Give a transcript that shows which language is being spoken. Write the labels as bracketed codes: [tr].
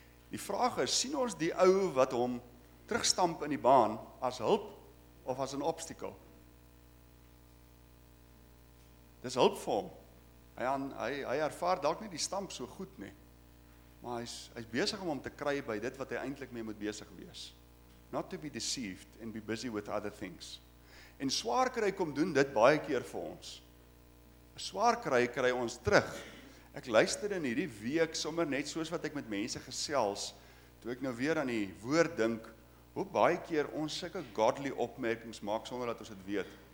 [af] Die vraag is, sien ons die ou wat hom terugstamp in die baan as hulp of as 'n obstakel? Dis hulp vir hom. Hy ervaar dalk nie die stamp so goed nie. Maar hy's besig om hom te kry by dit wat hy eintlik mee moet besig wees. [en] Not to be deceived and be busy with other things. [af] En swaar kry kom doen dit baie keer vir ons. Swaar kry kry ons terug. Ek luister in hierdie week sommer net soos wat ek met mense gesels, toe ek nou weer aan die woord dink, hoe baie keer ons sulke godly opmerkings maak sonder dat ons dit weet.